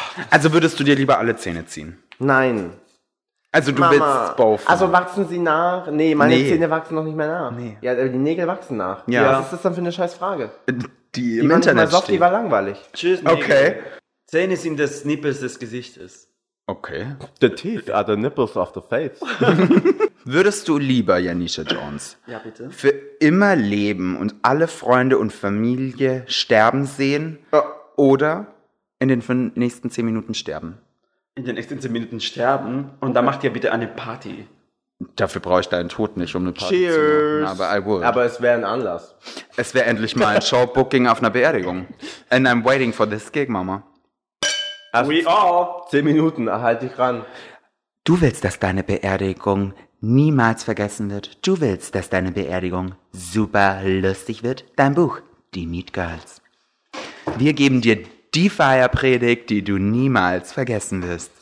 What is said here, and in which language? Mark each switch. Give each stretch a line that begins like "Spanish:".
German: Also würdest du dir lieber alle Zähne ziehen? Nein. Also du Mama, willst
English: both.
German: Also wachsen sie nach? Nee, meine Zähne wachsen noch nicht mehr nach. Nee. Ja, aber die Nägel wachsen nach. Ja. Was ist das dann für eine scheiß Frage? Die im Internet steht. Die war langweilig. Tschüss, Nägel. Okay. Zähne sind das Nippels des Gesichtes. Okay.
English: The teeth are the nipples of the face.
German: Würdest du lieber, Janisha Jones, ja, bitte? Für immer leben und alle Freunde und Familie sterben sehen oder in den nächsten 10 Minuten sterben? In den nächsten 10 Minuten sterben und dann macht ihr bitte eine Party. Dafür brauche ich deinen Tod nicht, um eine Party Cheers. Zu machen, aber
English: I would.
German: Aber es wäre ein Anlass. Es wäre endlich mal ein Showbooking auf einer Beerdigung.
English: And I'm waiting for this gig, Mama.
German: Also
English: we all.
German: 10 Minuten, halt dich ran. Du willst, dass deine Beerdigung niemals vergessen wird. Du willst, dass deine Beerdigung super lustig wird. Dein Buch, Die Meet Girls. Wir geben dir die Feierpredigt, die du niemals vergessen wirst.